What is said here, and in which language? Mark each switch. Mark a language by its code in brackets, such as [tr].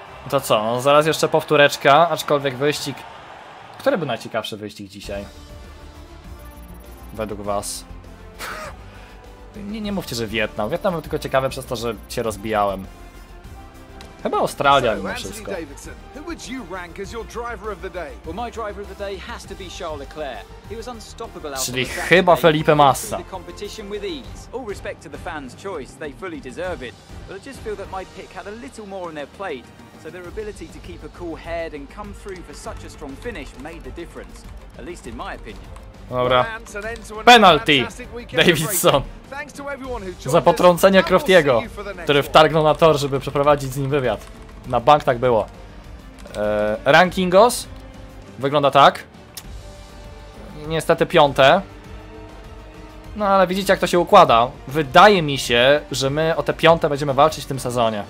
[pl] To co, no zaraz jeszcze powtóreczka, aczkolwiek wyścig... Który był najciekawszy wyścig dzisiaj? Według was? Nie mówcie, że Wietnam. Wietnam był tylko ciekawy przez to, że się rozbijałem. Chyba Australia mimo wszystko. [en] Anthony Davidson, who would you rank as your driver of the day? Well, my driver of the day has to be Charles Leclerc. He was unstoppable out of the Felipe Massa. The competition with ease. All respect to the fans' choice, they fully deserve it. But I just feel that my pick had a little more on their plate, so their ability to keep a cool head and come through for such a strong finish made the difference, at least in my opinion. [pl] Dobra. [en] Penalty! [pl] Davidson! Za potrącenie Croftiego, który wtargnął na tor, żeby przeprowadzić z nim wywiad. Na bank tak było. Rankingos wygląda tak. Niestety piąte. No ale widzicie, jak to się układa. Wydaje mi się, że my o te piąte będziemy walczyć w tym sezonie.